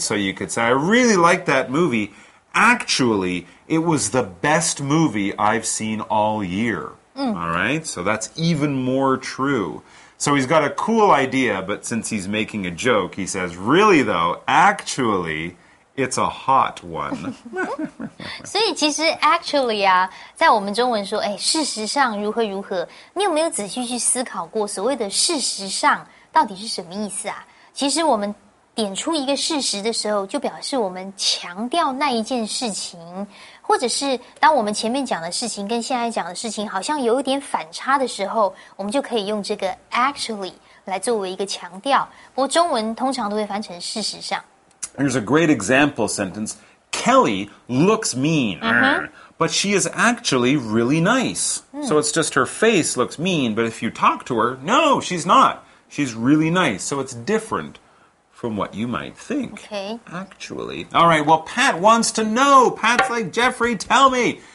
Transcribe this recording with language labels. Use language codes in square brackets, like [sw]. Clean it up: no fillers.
[en] So you could say, I really like that movie. Actually, it was the best movie I've seen all year. Mm. All right? So that's even more true. So he's got a cool idea, but since he's making a joke, he says, really though, actually, it's a hot one. [zh] 所以其实 actually 啊，在我们中文说，哎，事实上如何如何，你有没有仔细去思考过所谓的事实上到底是什么意思啊？其实我们点出一个事实的时候，就表示我们强调那一件事情，或者是当我们前面讲的事情跟现在讲的事情好像有一点反差的时候，我们就可以用这个 actually 来作为一个强调。不过中文通常都会翻成事实上。 [en] Here's a great example sentence. Kelly looks mean, but she is actually really nice. Mm. So it's just her face looks mean, but if you talk to her, no, she's not. She's really nice. So it's different from what you might think. Okay. Actually. All right, well, Pat wants to know. Pat's like, Jeffrey, tell me.